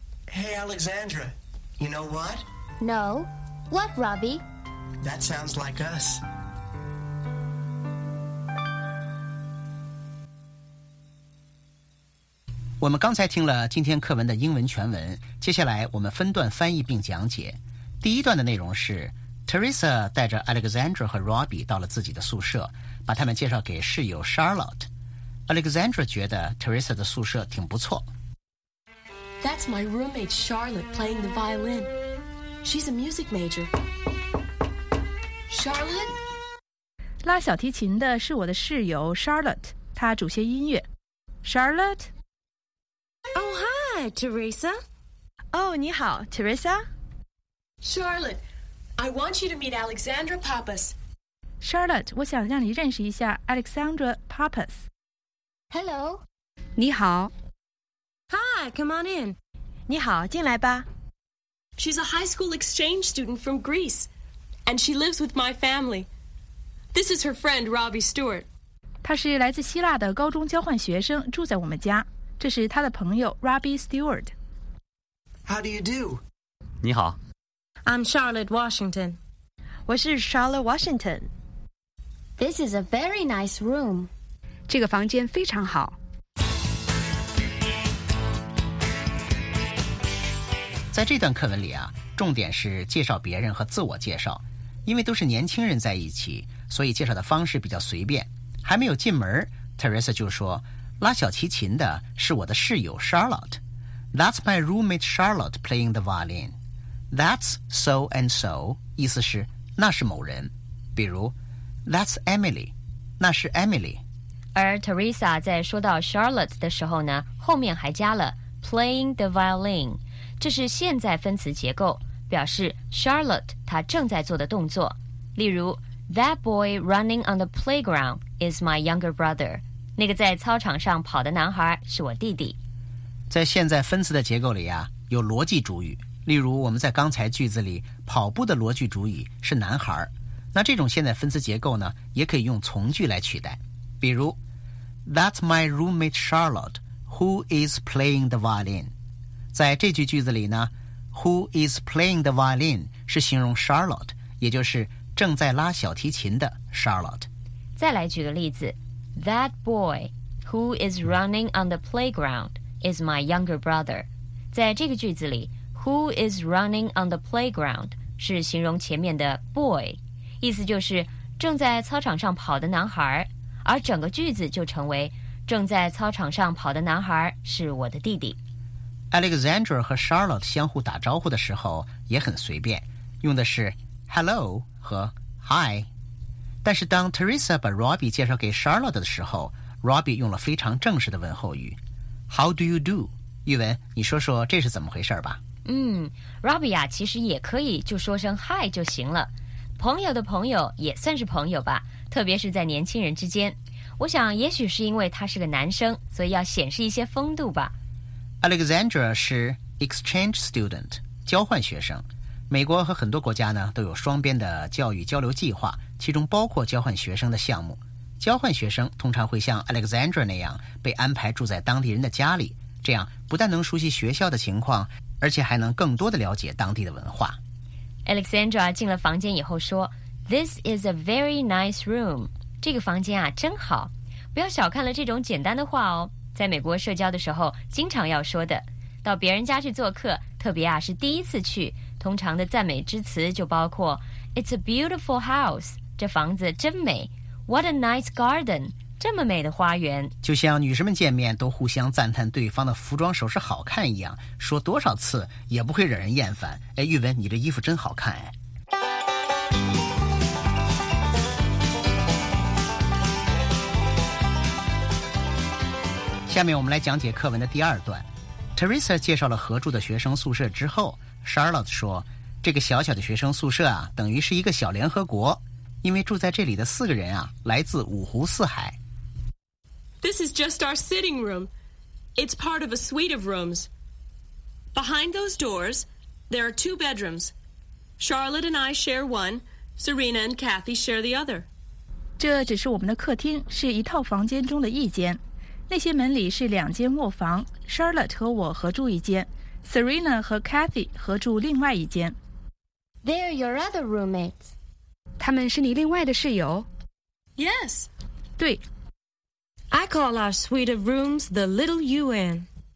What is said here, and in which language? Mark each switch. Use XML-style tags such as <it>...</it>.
<en>Hey, Alexandra, you know what? No. What, Robbie? That sounds like us. We just heard today's lesson's English transcription. Next, we will translate and explain.</en> <zh>The first part is Teresa 带着 Alexandra 和 Robbie 到了自己的宿舍，把他们介绍给室友 Charlotte。 Alexandra 觉得 Teresa 的宿舍挺不错。</zh> <en>That's my roommate Charlotte playing the violin. She's a music major. Charlotte?</en> <zh>拉小提琴的是我的室友 Charlotte, 她主修音乐。</zh> <en>Charlotte? Oh, hi, Teresa.</en> <zh>Oh, 你好 Teresa.</zh> <en>Charlotte, I want you to meet Alexandra Pappas.</en> <zh>Charlotte, 我想让你认识一下 Alexandra Pappas.</zh> <en>Hello.</en> <zh>你好。</zh> <en>Hi, come on in.</en> <zh>你好，进来吧。</zh> <en>She's a high school exchange student from Greece, and she lives with my family. This is her friend, Robbie Stewart.</en> <zh>她是来自希腊的高中交换学生，住在我们家。这是她的朋友 Robbie Stewart.</zh> <en>How do you do?</en> <zh>你好。</zh> <en>I'm Charlotte Washington.</en> <zh>我是 Charlotte Washington.</zh> <en>This is a very nice room.</en> <zh>这个房间非常好。在这段课文里啊，重点是介绍别人和自我介绍，因为都是年轻人在一起，所以介绍的方式比较随便。还没有进门， Teresa 就说，拉小提琴的是我的室友 Charlotte.</zh> <en>That's my roommate Charlotte playing the violin. That's so and so,</en> <zh>意思是那是某人，比如</zh> <en>That's Emily,</en> <zh>那是 Emily. 而 Teresa 在说到 Charlotte 的时候呢，后面还加了</zh> <en>playing the violin.</en> <zh>这是现在分词结构，表示 Charlotte 她正在做的动作。例如</zh> <en>That boy running on the playground is my younger brother.</en> <zh>那个在操场上跑的男孩是我弟弟。在现在分词的结构里啊，有逻辑主语。例如我们在刚才句子里跑步的逻辑主语是男孩。那这种现在分词结构呢，也可以用从句来取代。比如</zh> <en>That's my roommate Charlotte who is playing the violin.</en> <zh>在这句句子里呢 ，</zh> <en>Who is playing the violin</en> <zh>是形容 Charlotte， 也就是正在拉小提琴的 Charlotte。再来举个例子</zh> <en>，That boy who is running on the playground is my younger brother。</en> <zh>在这个句子里 ，</zh> <en>Who is running on the playground</en> <zh>是形容前面的 boy， 意思就是正在操场上跑的男孩，而整个句子就成为正在操场上跑的男孩是我的弟弟。 Alexandra 和 Charlotte 相互打招呼的时候也很随便，用的是 Hello 和 Hi。但是当 Teresa 把 Robbie 介绍给 Charlotte 的时候， Robbie 用了非常正式的问候语</zh> <en>How do you do?</en> <zh>玉文，你说说这是怎么回事吧。嗯， Robbie 啊，其实也可以就说声 Hi 就行了，朋友的朋友也算是朋友吧，特别是在年轻人之间。我想也许是因为他是个男生，所以要显示一些风度吧。 Alexandra 是 exchange student, 交换学生。美国和很多国家呢都有双边的教育交流计划，其中包括交换学生的项目。交换学生通常会像 Alexandra 那样被安排住在当地人的家里，这样不但能熟悉学校的情况，而且还能更多的了解当地的文化。</zh> <en>Alexandra</en> <zh>进了房间以后说</zh> <en>This is a very nice room.</en> <zh>这个房间啊真好。不要小看了这种简单的话哦。在美国社交的时候经常要说的，到别人家去做客，特别啊是第一次去，通常的赞美之词就包括</zh> <en>It's a beautiful house,</en> <zh>这房子真美，</zh> <en>What a nice garden,</en> <zh>这么美的花园。就像女生们见面都互相赞叹对方的服装首饰好看一样，说多少次也不会惹人厌烦。哎，玉文，你这衣服真好看。哎，下面我们来讲解课文的第二段。 Teresa 介绍了合住的学生宿舍之后， Charlotte 说这个小小的学生宿舍啊，等于是一个小联合国，因为住在这里的四个人啊来自五湖四海。</zh> <en>This is just our sitting room. It's part of a suite of rooms. Behind those doors there are two bedrooms. Charlotte and I share one. Serena and Kathy share the other.</en> <zh>这只是我们的客厅，是一套房间中的一间。那些门里是两间卧房， Charlotte 和我合住一间， Serena 和 Kathy 合住另外一间。</zh> <en>They're your other roommates.</en> <zh>他们是你另外的室友？</zh> <en>Yes.</en> <zh>对。</zh> <en>I call our suite of rooms the Little UN.</en>